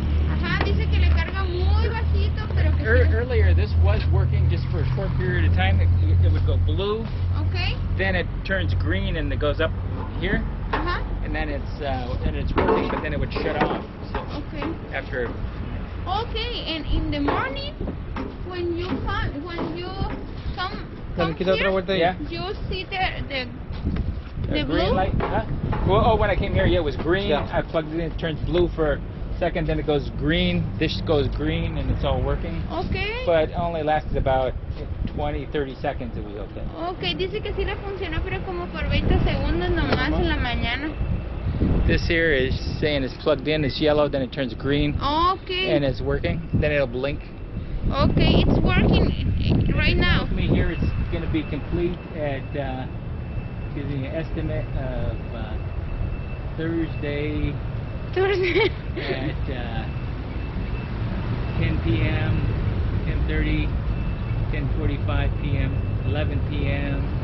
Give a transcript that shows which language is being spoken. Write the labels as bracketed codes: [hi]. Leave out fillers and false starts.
[es] Ajá, dice que le carga muy bajito, pero que sí. [en] Earlier this was working just for a short period of time. It would go blue. Okay. Then it turns green and it goes up here. Ajá. And then it's working, but then it would shut off. So okay. After. Okay, and in the morning when you come here, yeah. You see the the green blue? Light? Huh? Well, when I came here, yeah, it was green. Yeah. I plugged it in, it turns blue for a second, then it goes green. This goes green, and it's all working. Okay. But only lasted about 20, 30 seconds, it was okay. [es] Okay, dice que sí le funcionó, pero como por 20 segundos nomás en la mañana. [en] This here is saying it's plugged in, it's yellow, then it turns green. Okay. And it's working, then it'll blink. Okay, it's working right now. I mean, here it's going to be complete at... giving an estimate of Thursday at 10 p.m., 10:30, 10:45 p.m., 11 p.m.